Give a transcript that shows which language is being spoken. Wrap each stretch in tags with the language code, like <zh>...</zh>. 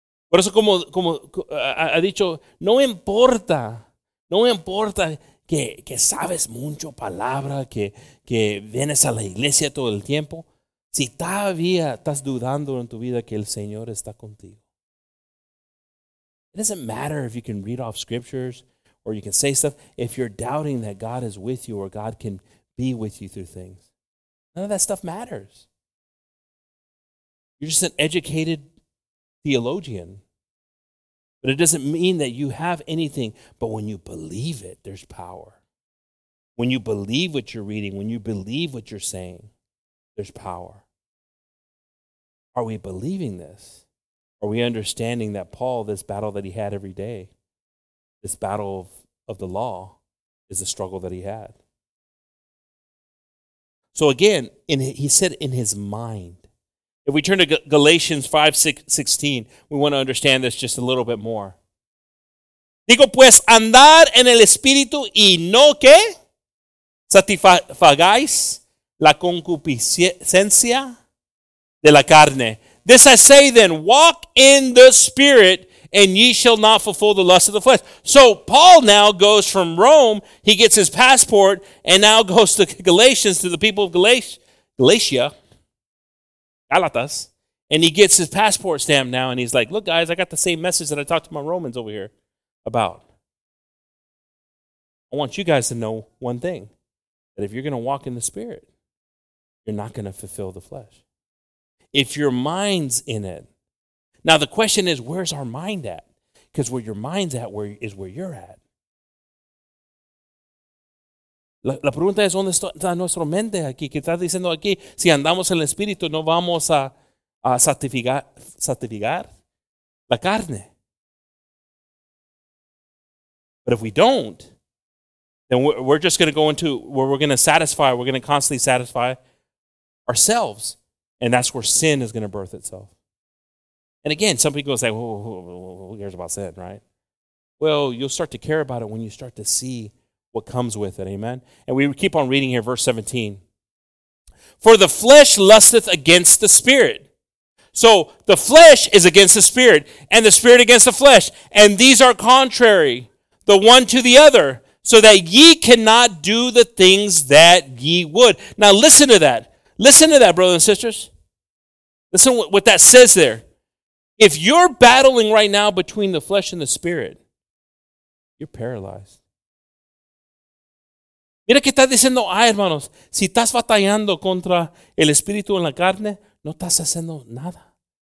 <es>Por eso, como ha dicho, no importa que sabes mucho palabra, que vienes a la iglesia todo el tiempo, si todavía estás dudando en tu vida que el Señor está contigo.</es> <en>It doesn't matter if you can read off scriptures or you can say stuff. If you're doubting that God is with you or God can be with you through things, none of that stuff matters. You're just an educated theologian. But it doesn't mean that you have anything. But when you believe it, there's power. When you believe what you're reading, when you believe what you're saying, there's power. Are we believing this? Are we understanding that Paul, this battle that he had every day, this battle of the law, is the struggle that he had? So again, he said in his mind. If we turn to Galatians 5:16, we want to understand this just a little bit more.</en> <es>Digo pues, andar en el espíritu y no que satisfagáis la concupiscencia de la carne.</es> <en>This I say then, walk in the Spirit, and ye shall not fulfill the lust of the flesh. So Paul now goes from Rome, he gets his passport, and now goes to Galatians, to the people of Galatas, and he gets his passport stamped now, and he's like, look guys, I got the same message that I talked to my Romans over here about. I want you guys to know one thing, that if you're going to walk in the Spirit, you're not going to fulfill the flesh. If your mind's in it. Now the question is, where's our mind at? Because where your mind's at is where you're at.</en> <es>La pregunta es, ¿dónde está nuestra mente aquí? ¿Qué estás diciendo aquí? Si andamos en el Espíritu, no vamos a satisfacer la carne.</es> <en>But if we don't, then we're just going to go into where we're going to satisfy, we're going to constantly satisfy ourselves. And that's where sin is going to birth itself. And again, some people say, who cares about sin, right? Well, you'll start to care about it when you start to see what comes with it. Amen. And we keep on reading here, verse 17. For the flesh lusteth against the spirit. So the flesh is against the spirit, and the spirit against the flesh. And these are contrary, the one to the other, so that ye cannot do the things that ye would. Now listen to that. Listen to that, brothers and sisters. Listen to what that says there. If you're battling right now between the flesh and the spirit, you're paralyzed.</en> <es>Mira que está diciendo ahí, hermanos. Si estás batallando contra el espíritu en la carne, no estás haciendo nada.</es>